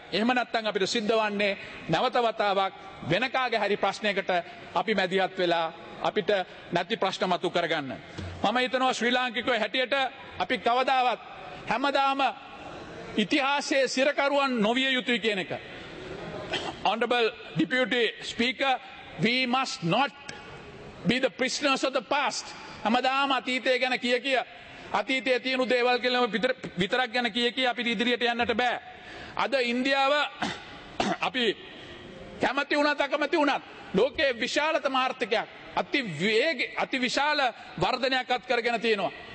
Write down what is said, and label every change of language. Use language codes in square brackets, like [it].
[si] එහෙම නැත්නම් අපිට සිද්ධ වන්නේ නැවත වතාවක් වෙන කාගේ හරි ප්‍රශ්නයකට අපි මැදිහත් වෙලා අපිට නැති ප්‍රශ්න මතු කරගන්න. මම හිතනවා ශ්‍රී ලාංකිකයෝ හැටියට අපි කවදාවත් හැමදාම ඉතිහාසයේ සිරකරුවන් නොවිය යුතුයි කියන එක. [en] Honorable Deputy Speaker, we must not be the prisoners of the past. [si] හැමදාම අතීතය ගැන කිය කිය අතීතයේ තියෙන දේවල් කියලා විතරක් ගැන කිය කිය අපිට ඉදිරියට යන්නට බෑ. අද ඉන්දියාව අපි කැමති වුණත් අකමැති වුණත් ලෝකයේ විශාලතම ආර්ථිකයක් අති විශාල වර්ධනයක් අත් කරගෙන තියෙනවා.